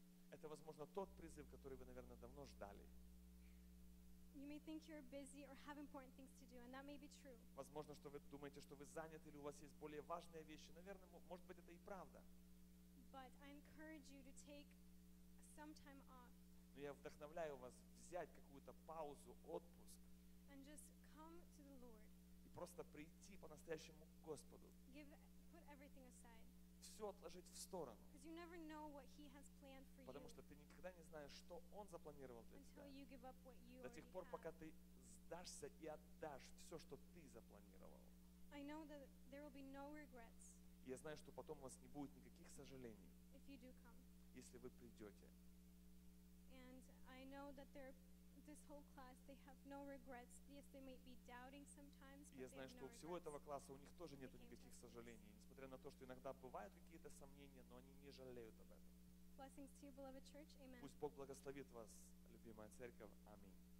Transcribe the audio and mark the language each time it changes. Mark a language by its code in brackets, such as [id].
[ru] Это, возможно, тот призыв, который вы, наверное, давно ждали. [en] You may think you're busy or have important things to do, and that may be true. [ru] Возможно, что вы думаете, что вы заняты или у вас есть более важные вещи. Наверное, может быть, это и правда. [en] But I encourage you to take some time off. [ru] Но я вдохновляю вас взять какую-то паузу, отпуск. [en] And just come to the Lord. [ru] И просто прийти по-настоящему к Господу. [en] Put everything aside. [ru] Все отложить в сторону. [en] Because you never know what He has planned for you. [ru] Потому что ты никогда не знаешь, что Он запланировал для [en] until [ru] тебя. [en] You give up what you [ru] до тех пор, пока ты сдашься и отдашь все, что ты запланировал. [en] I know that there will be no regrets. [ru] Я знаю, что потом у вас не будет никаких сожалений, [en] if you do come. [ru] Если вы придете. [en] And I know that there, this whole class, they have no regrets. Yes, they might be doubting sometimes, but [ru] я знаю, что у всего этого класса у них тоже нету никаких сожалений, несмотря на то, что иногда бывают какие-то сомнения, но они не жалеют об этом. [en] Blessings to you, beloved church. Amen. [ru] Пусть Бог благословит вас, любимая церковь. Аминь.